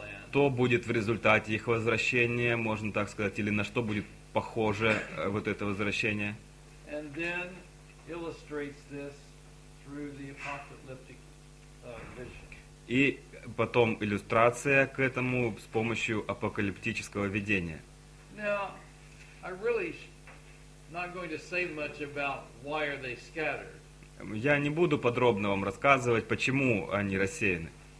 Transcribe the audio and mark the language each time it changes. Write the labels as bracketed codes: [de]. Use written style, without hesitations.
[ru] Что будет в результате их возвращения, можно так сказать, или на что будет похоже вот это возвращение. [en] And then illustrates this through the apocalyptic vision. [ru] И потом иллюстрация к этому с помощью апокалиптического видения. [en] Now, I really not going to say much about why are they scattered. [ru] Я не буду подробно вам рассказывать, почему они рассеяны.